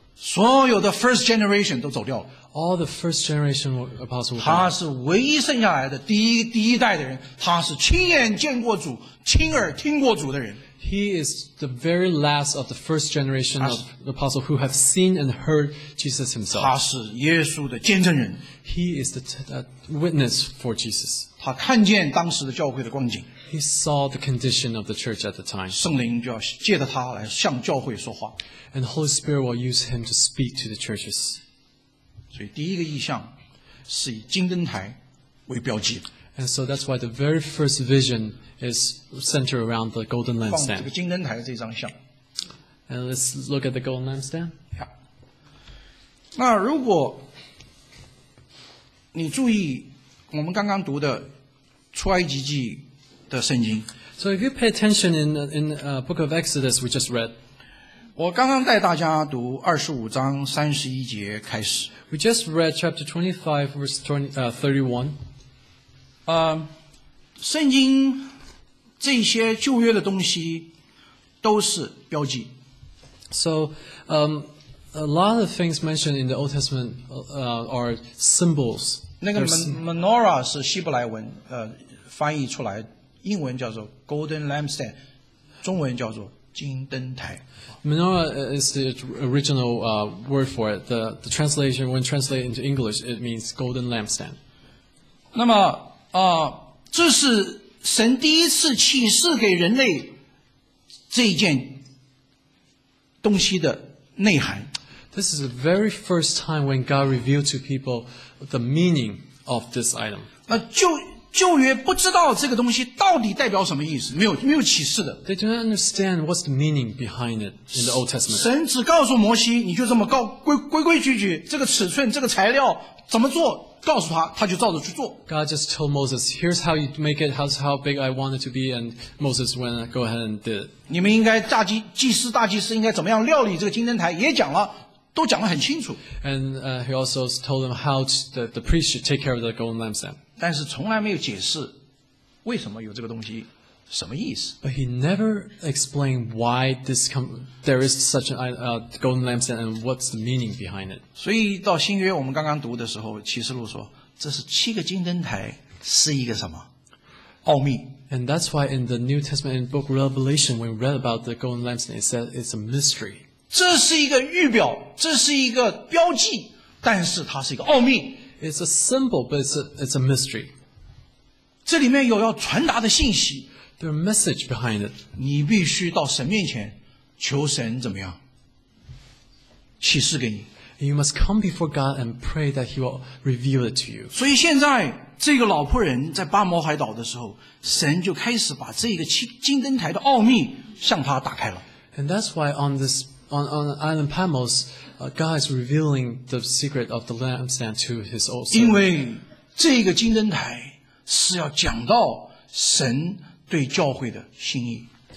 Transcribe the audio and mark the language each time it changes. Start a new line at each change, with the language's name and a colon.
Chinese: 所有的
English: first generation
Chinese: 都走掉了。
English: All the first generation apostles.
Chinese: 他是唯一剩下来的第一代的人，他是亲眼见过主、亲耳听过主的人。
English: He is the very last of the first generation of apostles who have seen and heard Jesus himself.
Chinese: 他是耶稣的见证人。
English: He is the witness for Jesus.
Chinese: 他看见当时的教会的光景。
English: He saw the condition of the church at the time.
Chinese: 圣灵就要借着他来向教会说话。
English: And the Holy Spirit will use him to speak to the churches.
Chinese: 所以第一个意象是以金灯台为标记。
English: And so that's why the very first vision is centered around the golden lampstand.
Chinese: 放这个金灯台这张像。
English: And let's look at the golden lampstand. Yeah.
Chinese: 那如果你注意我们刚刚读的出埃及记的圣经。
English: So if you pay attention in the book of Exodus we just read.
Chinese: 我刚刚带大家读25章31节开始。
English: We just read chapter 25 verse 31.
Chinese: 圣经这些旧约的东西都是标记。
English: So, a lot of things mentioned in the Old Testament are symbols.
Chinese: 那个 menorah 是希伯来文，翻译出来，英文叫做
English: golden lampstand，
Chinese: 中文叫做金灯台。
English: Menorah is the original word for it. The translation when translated into English, it means golden lampstand.
Chinese: 那么这是神第一次启示给人类这一件东西的内涵。
English: This is the very first time when God revealed to people the meaning of this item.
Chinese: 旧约不知道这个东西到底代表什么意思，没有启示的。
English: They don't understand what's the meaning behind it in the Old Testament.
Chinese: 神只告诉摩西，你就这么告规矩矩，这个尺寸，这个材料怎么做？告诉他，他就照着去做。
English: God just told Moses, "Here's how you make it. How's how big I want it to be." And Moses went, "Go ahead and did."
Chinese: 你们应该大祭司应该怎么样料理这个金灯台，也讲了，都讲得很清楚。
English: And he also told them how the priest should take care of the golden lampstand.
Chinese: 但是从来没有解释为什么有这个东西，什么意思。
English: But he never explained why there is such a golden lampstand and what's the meaning behind it.
Chinese: 所以到新约我们刚刚读的时候，启示录说这是七个金灯台是一个什么奥秘。
English: And that's why in the New Testament in book Revelation when we read about the golden lampstand, it said it's a mystery.
Chinese: 这是一个预表，这是一个标记，但是它是一个奥秘。
English: It's a symbol, but it's a mystery.
Chinese: 这里面有要传达的信息。
English: There's a message behind it.
Chinese: 你必须到神面前求神怎么样启示给你。
English: You must come before God and pray that He will reveal it to you.
Chinese: 所以现在这个老仆人在巴摩海岛的时候，神就开始把这个金灯台的奥秘向他打开了。
English: And that's why on island Patmos, God is revealing the secret of the lampstand to His old servant.
Chinese: 因为这个金灯台是要讲到神对教会的心意。